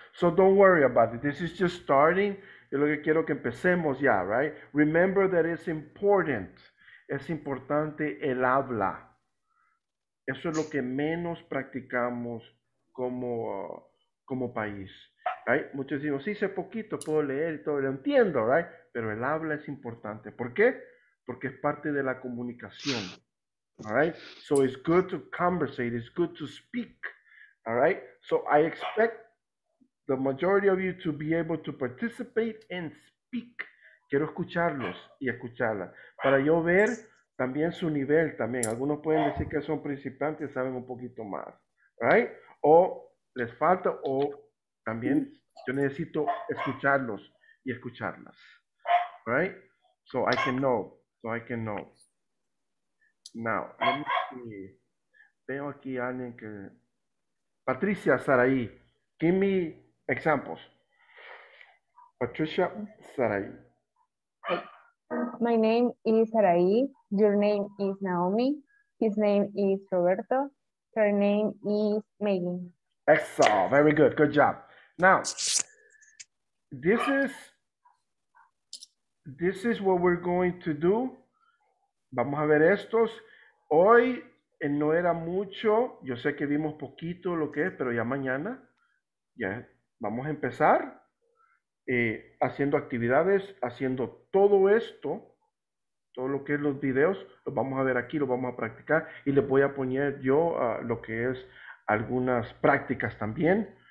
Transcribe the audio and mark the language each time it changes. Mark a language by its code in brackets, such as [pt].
[en] So don't worry about it. This is just starting. [es] Es lo que quiero que empecemos ya, right? [en] Remember that it's important. [es] Es importante el habla. Eso es lo que menos practicamos como, como país. Right? Muchos dicen, sí, sé poquito, puedo leer y todo, lo entiendo, right? Pero el habla es importante. ¿Por qué? Porque es parte de la comunicación. All right? [en] So it's good to conversate, it's good to speak. All right? So I expect the majority of you to be able to participate and speak. [es] Quiero escucharlos y escucharla. Para yo ver también su nivel también. Algunos pueden decir que son principiantes, saben un poquito más. Right? O les falta, o también yo necesito escucharlos y escucharlas. [en] Right? So I can know. So I can know. Now, let me see. [es] Veo aquí a alguien que... Patricia Saraí. [en] Give me examples. Patricia Saraí. My name is Saraí. Your name is Naomi. His name is Roberto. Her name is Megan. Excellent. Very good. Good job. Now, this is what we're going to do. [es] Vamos a ver estos. Hoy no era mucho. Yo sé que vimos poquito lo que es, pero ya mañana ya vamos a empezar haciendo actividades, haciendo todo esto. Todo lo que es los videos, los vamos a ver aquí, los vamos a practicar. Y les voy a poner yo lo que es algunas prácticas también.